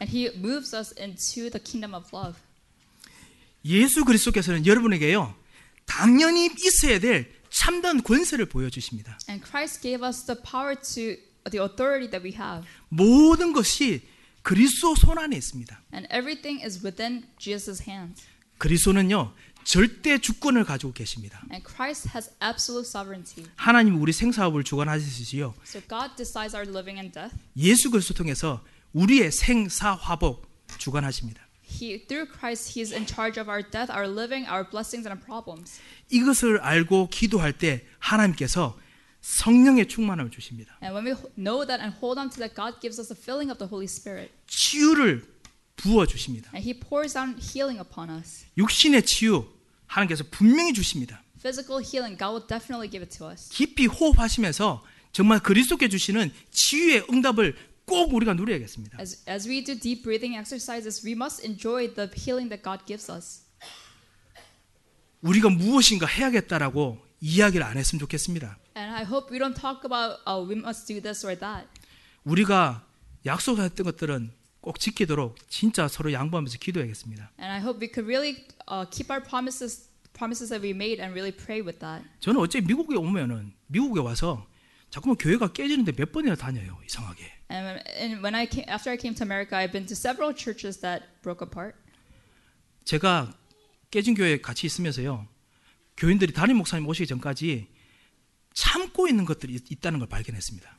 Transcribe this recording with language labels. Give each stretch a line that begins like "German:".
English: And He moves us into the kingdom of love.
Korean: 예수 그리스도께서는 여러분에게요 당연히 있어야 될 참된 권세를 보여주십니다.
English: And Christ gave us the power to the authority that we have.
Korean: 모든 것이 그리스도 손 안에 있습니다.
English: And everything is within Jesus' hands.
Korean: 그리스도는요 절대 주권을 가지고 계십니다.
English: And Christ has absolute sovereignty.
Korean: 하나님 우리 생사업을 주관하시지요.
English: So God decides our living and death.
Korean: 예수 그리스도 통해서 우리의 생사화복 주관하십니다.
English: He through Christ he is in charge of our death, our living, our blessings and our problems.
Korean: 이것을 알고 기도할 때 하나님께서 성령의 충만함을 주십니다.
English: And when we know that and hold on to that, God gives us the filling of the Holy Spirit.
Korean: 치유를 부어 주십니다.
English: And He pours down healing upon us.
Korean: 육신의 치유 하나님께서 분명히 주십니다.
English: Physical healing, God will definitely give it to us.
Korean: 깊이 호흡하시면서 정말 그리스도께 주시는 치유의 응답을 꼭 우리가 누려야겠습니다.
English: As we do deep breathing exercises, we must enjoy the healing that God gives us.
Korean: 우리가 무엇인가 해야겠다라고 이야기를 안 했으면 좋겠습니다.
English: And I hope we don't talk about we must do this or that.
Korean: 우리가 약속했던 것들은 꼭 지키도록 진짜 서로 양보하면서 기도해야겠습니다.
English: And I hope we could really keep our promises that we made and really pray with that.
Korean: 저는 어째 미국에 오면은 미국에 와서 자꾸만 교회가 깨지는데 몇 번이나 다녀요 이상하게.
English: And when I came, after I came to America, I've been to several churches that broke apart.
Korean: 제가 깨진 교회 같이 있으면서요 교인들이 담임 목사님 오시기 전까지 참고 있는 것들이 있다는 걸 발견했습니다.